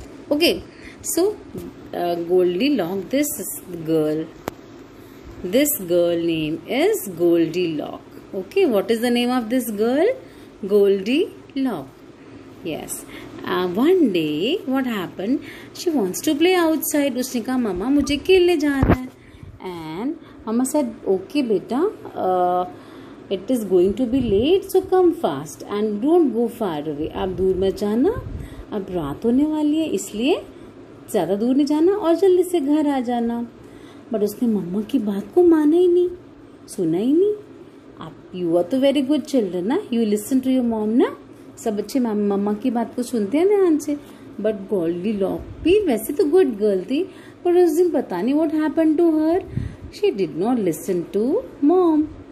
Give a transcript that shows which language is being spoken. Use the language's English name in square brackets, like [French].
[English] Okay, so Goldilocks, this girl name is Goldilocks. Okay, what is the name of this girl? Goldilocks. Yes. One day, what happened? She wants to play outside. [Hindi] उसने कहा मामा मुझे खेलने जाना है. [English] And मामा said, okay बेटा, it is going to be late, so come fast and don't go far away. [Hindi] आप दूर मत जाना, अब रात होने वाली है, इसलिए ज़्यादा दूर नहीं जाना और जल्दी से घर आ जाना. But उसने मामा की बात को माना ही नहीं, सुना ही नहीं. [English] आप you are तो very good children ना, you listen to your mom ना. [Hindi] सब बच्चे मम्मा की बात को सुनते हैं ध्यान से. बट गोल्डीलॉक्स भी वैसे तो गुड गर्ल थी, पर उस दिन पता नहीं [English] What happened to her, she did not listen to mom.